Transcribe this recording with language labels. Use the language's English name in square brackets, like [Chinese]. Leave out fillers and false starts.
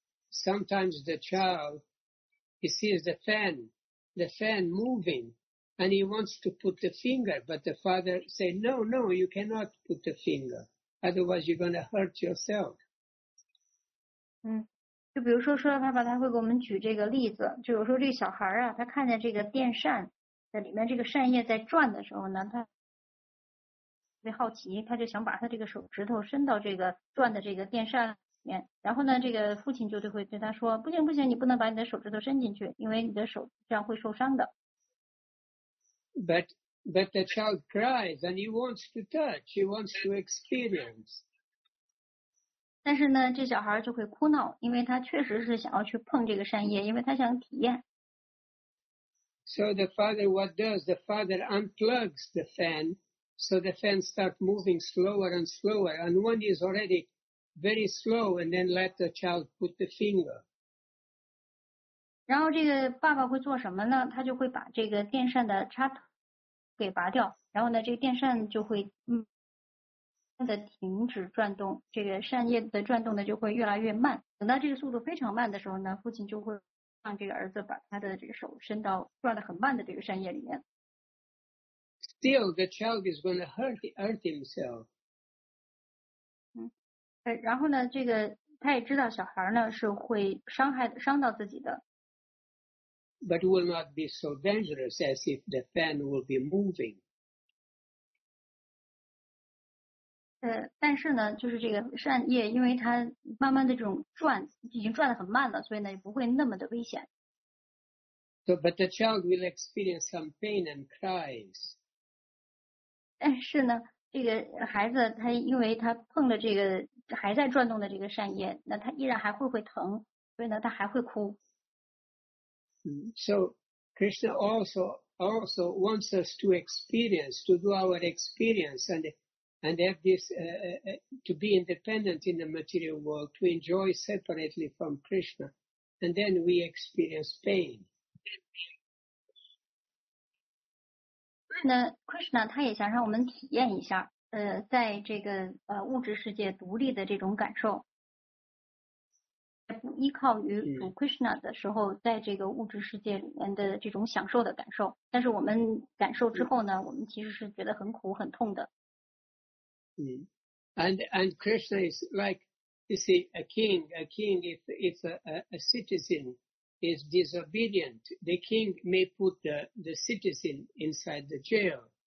[English] sometimes the child, he sees the fan moving, and he wants to put the finger, but the father says, no, you cannot put the finger. Otherwise, you're going to hurt yourself. [Chinese] 就比如说，爸爸他会给我们举这个例子，就有时候这个小孩啊，他看见这个电扇的里面这个扇叶在转的时候呢，他特别好奇，他就想把他这个手指头伸到这个转的这个电扇里面，然后呢，这个父亲就会对他说：“不行，你不能把你的手指头伸进去，因为你的手这样会受伤的。” [English] But the child cries and he wants to touch, he wants to experience. [Chinese] 但是呢，这小孩就会哭闹，因为他确实是想要去碰这个扇叶，因为他想体验。 [English] So the father, what does the father unplugs the fan, so the fan starts moving slower and slower, and one is already very slow, and then let the child put the finger. [Chinese] 然后这个爸爸会做什么呢？他就会把这个电扇的插头给拔掉，然后呢，这个电扇就会的停止转动，这个扇叶的转动呢就会越来越慢，等到这个速度非常慢的时候呢，父亲就会让这个儿子把他的这个手伸到转得很慢的这个山叶里面。 [English] Still, the child is going to hurt the earth himself. [Chinese] 然后呢，这个他也知道小孩呢是会伤到自己的。 [English] But will not be so dangerous as if the fan will be moving. [Chinese] 但是呢，就是这个扇叶，因为它慢慢的这种转，已经转得很慢了，所以呢，也不会那么的危险。 [English] So, but the child will experience some pain and cries. [Chinese] 但是呢，这个孩子他因为他碰了这个还在转动的这个扇叶，那他依然还会疼，所以呢，他还会哭。 [English] So Krishna also wants us to experience, to do our experience and have this, to be independent in the material world, to enjoy separately from Krishna, and then we experience pain. [Chinese] 那 Krishna 他也想让我们体验一下，在这个物质世界独立的这种感受。不依靠于主 Krishna 的时候，在这个物质世界里面的这种享受的感受，但是我们感受之后呢，我们其实是觉得很苦很痛的。 [English] And Krishna is like, you see, a king if a citizen is disobedient, the king may put the citizen inside the jail.